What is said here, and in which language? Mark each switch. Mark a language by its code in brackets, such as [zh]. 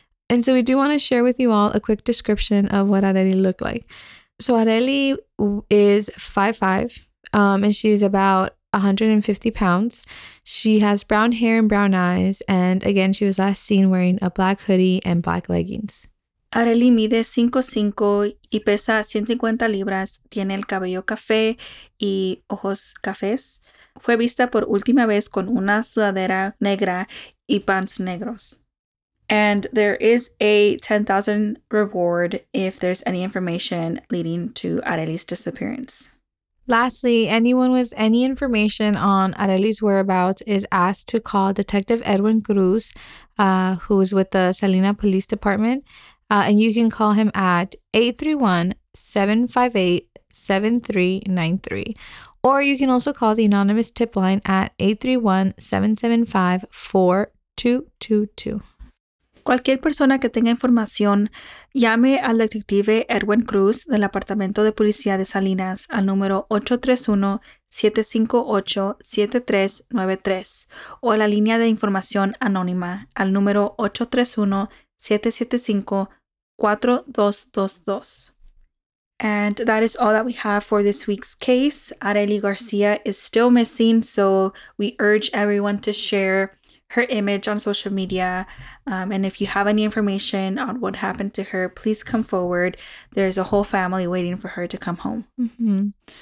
[en] And so we do want to share with you all a quick description of what Arely looked like. So Arely is 5'5", and she's about 150 pounds. She has brown hair and brown eyes. And again, she was last seen wearing a black hoodie and black leggings. [es] Arely mide 5'5 y pesa 150 libras. Tiene el cabello café y ojos cafés. Fue vista por última vez con una sudadera negra y pants negros. [en] And there is a $10,000 reward if there's any information leading to Arely's disappearance. Lastly, anyone with any information on Arely's whereabouts is asked to call Detective Edwin Cruz, who is with the Salina Police Department, and you can call him at 831-758-7393, or you can also call the anonymous tip line at 831-775-4222. [es] Cualquier persona que tenga información, llame al detective Edwin Cruz del Apartamento de Policía de Salinas al número 831-758-7393 o a la línea de información anónima al número 831-775-4222. [en] And that is all that we have for this week's case. Arely Garcia is still missing, so we urge everyone to share her image on social media. And if you have any information on what happened to her, please come forward. There's a whole family waiting for her to come home.